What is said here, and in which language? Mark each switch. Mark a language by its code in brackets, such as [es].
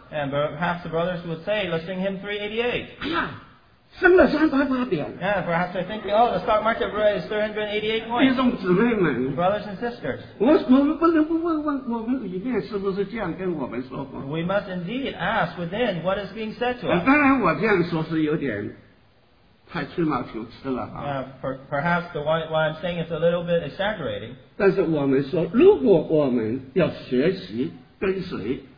[en] and perhaps the brothers would say let's sing hymn 388 [zh] 升了388点 [en] and perhaps they're thinking oh the stock market rate is 388 points [zh] 弟兄姊妹们 [en] brothers and sisters [zh] 我们不能不问问我们里面是不是这样跟我们说过 [en] we must indeed ask within what is being said to us [zh] 当然我这样说是有点太吹毛求疵了、 [en] perhaps the one what I'm saying is a little bit exaggerating. [zh] 但是我们说，如果我们要学习跟随